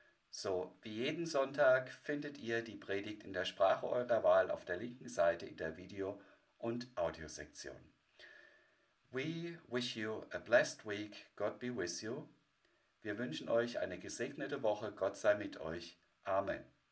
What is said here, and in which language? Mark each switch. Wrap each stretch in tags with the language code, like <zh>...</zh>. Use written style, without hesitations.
<de>So, wie jeden Sonntag findet ihr die Predigt in der Sprache eurer Wahl auf der linken Seite in der Video- und Audio-Sektion.</de> <en>We wish you a blessed week. God be with you.</en> <de>Wir wünschen euch eine gesegnete Woche. Gott sei mit euch. Amen.</de>